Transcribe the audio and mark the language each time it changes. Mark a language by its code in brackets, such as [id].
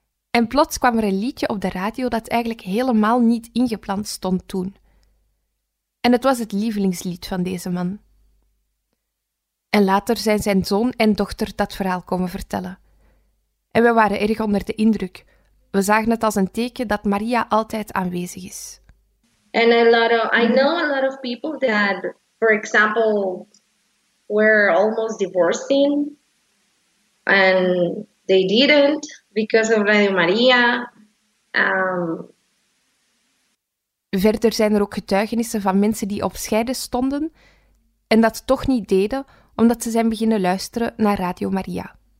[nl] En plots kwam er een liedje op de radio dat eigenlijk helemaal niet ingepland stond toen. En het was het lievelingslied van deze man. En later zijn zoon en dochter dat verhaal komen vertellen. En we waren erg onder de indruk. We zagen het als een teken dat Maria altijd aanwezig is. [en] And I know a lot of people that, for example, were almost divorcing and they didn't because of Radio Maria. [nl] Verder zijn er ook getuigenissen van mensen die op scheiden stonden en dat toch niet deden omdat ze zijn beginnen luisteren naar Radio Maria.